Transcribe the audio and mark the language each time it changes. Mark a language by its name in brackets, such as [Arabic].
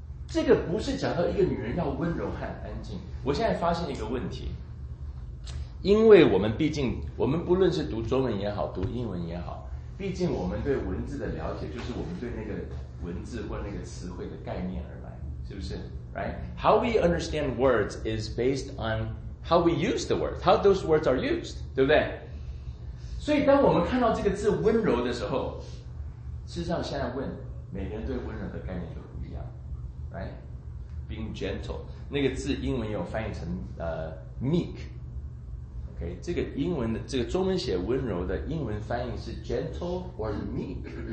[Chinese] 这个不是讲到一个女人要温柔和安静。我现在发现一个问题，因为我们毕竟，我们不论是读中文也好，读英文也好，毕竟我们对文字的了解，就是我们对那个文字或那个词汇的概念而来，是不是 ？Right? [English] How we understand words is based on how we use the words, how those words are used, [Chinese] 对不对？所以当我们看到这个字温柔的时候，事实上现在问，每个人对温柔的概念都。 [English] Right? Being gentle， [Chinese] 那个字英文也有翻译成meek。 OK， 这个英文的这个中文写温柔的英文翻译是 gentle or meek。